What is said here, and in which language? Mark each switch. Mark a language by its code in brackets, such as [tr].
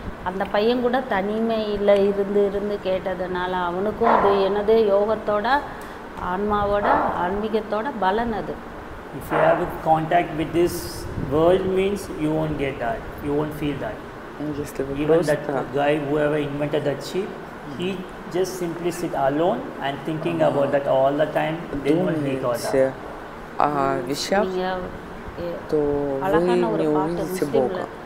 [ta] அந்த பையன் கூட தனிமையில் இருந்து இருந்து கேட்டதுனால அவனுக்கும் அது என்னது யோகத்தோட ஆன்மாவோட ஆன்மீகத்தோட பலன் அது. [en] If you have a contact with this world means you won't get that, you won't feel that. Even that guy whoever invented that chip, he just simply sit alone and thinking about that all the time, then only he got that. [ru] А вещах, то вы не увидите Бога.